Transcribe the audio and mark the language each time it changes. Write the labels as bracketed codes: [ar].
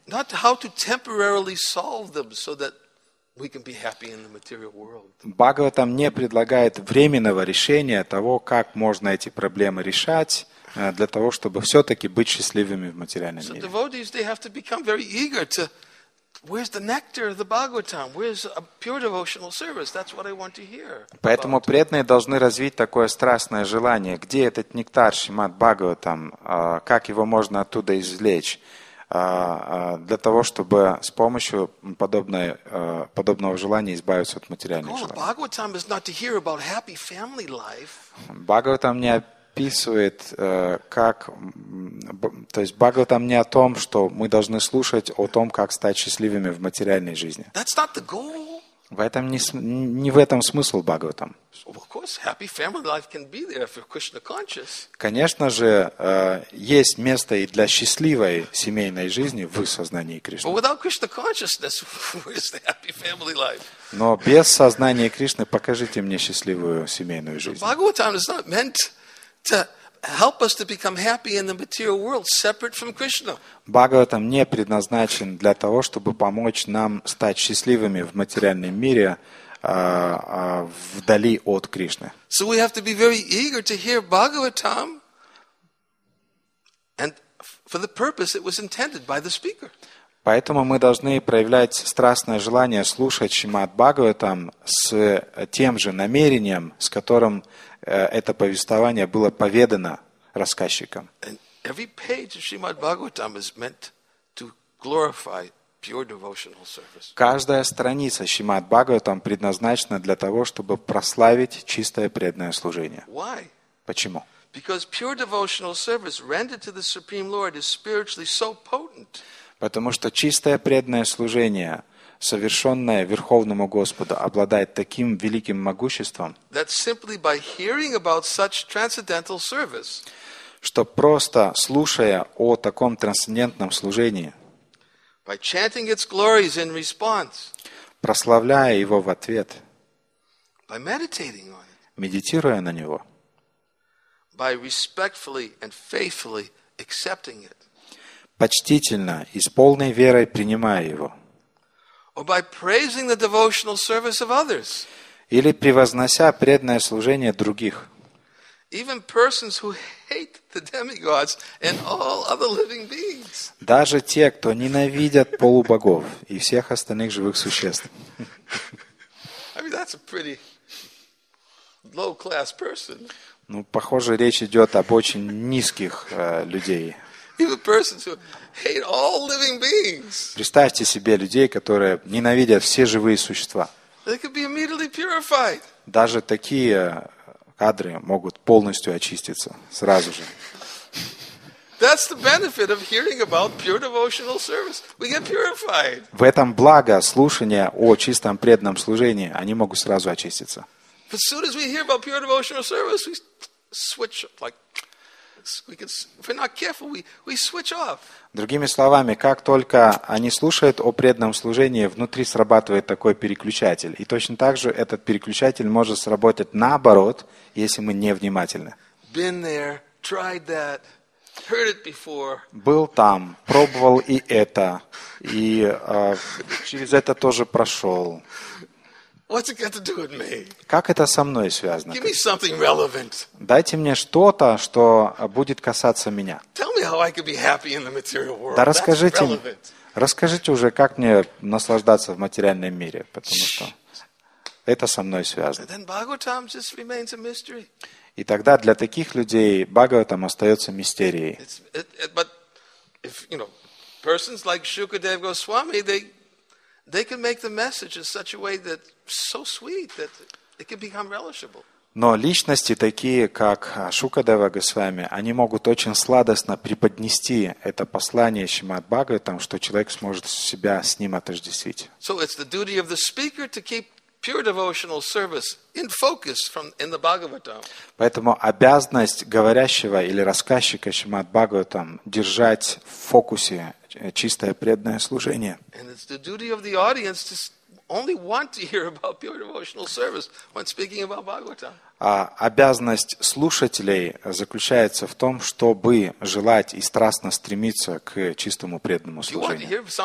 [ru] Бхагаватам не предлагает временного решения того, как можно эти проблемы решать для того, чтобы все-таки быть счастливыми в материальном мире. [en] Devotees, they have to become very eager to where's the nectar of the Bhagavatam? Where's a pure devotional service? That's what I want to hear. [ru] Поэтому преданные должны развить такое страстное желание. Где этот нектар Шримад Бхагаватам? Как его можно оттуда извлечь? Для того, чтобы с помощью подобного желания избавиться от материальных желаний. [en] Bhagavatam is not to hear about happy family life. [ru] Бхагаватам не описывает, как, то есть Бхагаватам не о том, что мы должны слушать о том, как стать счастливыми в материальной жизни. [en] That's not the goal. [ru] В этом не в этом смысл Бхагаватам. [en] Of course, happy family life can be there if you're Krishna conscious. [ru] Конечно же, есть место и для счастливой семейной жизни в сознании Кришны. [en] But without Krishna consciousness, where's the happy family life? [ru] Но без сознания Кришны покажите мне счастливую семейную жизнь. [en] Bhagavatam is not meant to help us to become happy in the material world, separate from Krishna. [ru] Бхагаватам не предназначен для того, чтобы помочь нам стать счастливыми в материальном мире, вдали от Кришны. [en] So we have to be very eager to hear Bhagavatam, and for the purpose it was intended by the speaker. [ru] Поэтому мы должны проявлять страстное желание слушать Шримад Бхагаватам с тем же намерением, с которым это повествование было поведано, рассказчиком. [en] And every page of Srimad Bhagavatam is meant to glorify pure devotional service. [ru] Каждая страница Шримад Бхагаватам предназначена для того, чтобы прославить чистое преданное служение. [en] Why? [ru] Почему? [en] Because pure devotional service rendered to the Supreme Lord is spiritually so potent. [ru] Потому что чистое преданное служение, совершенное Верховному Господу, обладает таким великим могуществом, [en] that simply by hearing about such transcendental service, [ru] что просто слушая о таком трансцендентном служении, [en] by chanting its glories in response, [ru] прославляя его в ответ, [en] by meditating on it, [ru] медитируя на него, [en] by respectfully and faithfully accepting it, [ru] почтительно и с полной верой принимая его, [en] or by praising the devotional service of others, [ru] или превознося преданное служение других. [en] Even persons who hate the demigods and all other living beings. [ru] Даже те, кто ненавидят полубогов и всех остальных живых существ. [en] I mean, that's a pretty low-class person. [ru] Ну, похоже, речь идет об очень низких людей. [en] Even persons who hate all living beings. [ru] Представьте себе людей, которые ненавидят все живые существа. [en] They could be immediately purified. [ru] Даже такие кадры могут полностью очиститься сразу же. [en] That's the benefit of hearing about pure devotional service. We get purified. [ru] В этом благо слушания о чистом преданном служении, они могут сразу очиститься. [en] But as soon as we hear about pure devotional service, we switch like we can, if we're not careful, we switch off. [ru] Другими словами, как только они слушают о преданном служении, внутри срабатывает такой переключатель. И точно так же этот переключатель может сработать наоборот, если мы невнимательны. [en] Been there, tried that, heard it before. [ru] Был там, пробовал и это, и через это тоже прошел. [en] What's it got to do with me? [ru] Как это со мной связано? [en] Give me something relevant. [ru] Дайте мне что-то, что будет касаться меня. [en] Tell me how I could be happy in the material world. [ru] Да расскажите, [en] that's relevant. [ru] Расскажите уже, как мне наслаждаться в материальном мире, потому что это со мной связано. [en] And then Bhagavatam just remains a mystery. [ru] И тогда для таких людей Бхагаватам остается мистерией. [en] But if, you know, persons like Shukadev Goswami, they can make the message in such a way that so sweet that it can become relishable. [ru] Но личности такие, как Шукадева Госвами, они могут очень сладостно преподнести это послание Шримад Бхагаватам, что человек сможет себя с ним отождествить. [en] So it's the duty of the speaker to keep pure devotional service in focus from in the Bhagavatam. [ru] Поэтому обязанность говорящего или рассказчика Шримад Бхагаватам держать в фокусе чистое преданное служение. [en] And it's the duty of the audience to only want to hear about pure devotional service when speaking about Bhagavatam. [ru] А обязанность слушателей заключается в том, чтобы желать и страстно стремиться к чистому преданному служению.